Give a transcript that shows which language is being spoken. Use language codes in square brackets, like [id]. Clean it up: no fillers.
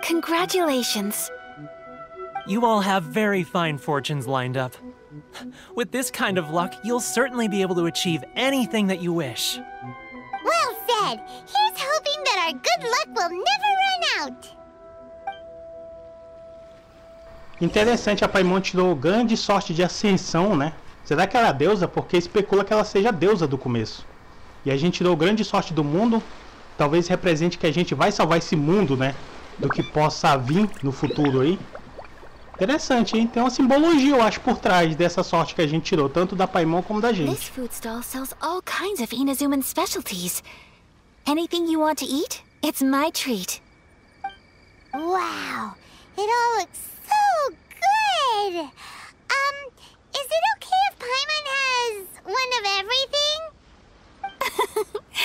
[en] Congratulations. You all have very fine fortunes lined up. With this kind of luck, you'll certainly be able to achieve anything that you wish. Well said! Here's hoping that our good luck will never run out! [pt] Interessante a Paimonte do grande sorte de ascensão, né? Será que ela é a deusa? Porque especula que ela seja a deusa do começo. E a gente deu grande sorte do mundo. Talvez represente que a gente vai salvar esse mundo, né? Do que possa vir no futuro aí. Interessante, hein? Tem uma simbologia, eu acho, por trás dessa sorte que a gente tirou, tanto da Paimon como da gente. [en] This food stall sells all kinds of Inazuman specialties. Anything you want to eat, it's my treat. Wow! It all looks so good! Is it okay if Paimon has one of everything?